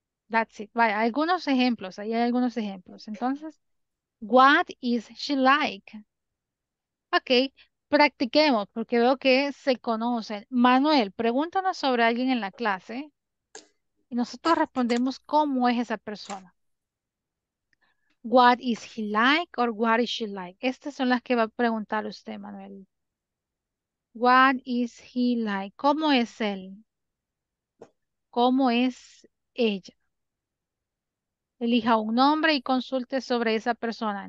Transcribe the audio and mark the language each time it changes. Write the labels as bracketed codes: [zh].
[en] That's it. [es] Vaya, algunos ejemplos. Ahí hay algunos ejemplos. Entonces, [en] what is she like? [es] Ok, practiquemos porque veo que se conocen. Manuel, pregúntanos sobre alguien en la clase y nosotros respondemos cómo es esa persona. [en] What is he like or what is she like? [es] Estas son las que va a preguntar usted, Manuel. [en] What is he like? [es] ¿Cómo es él? ¿Cómo es ella? Elija un nombre y consulte sobre esa persona.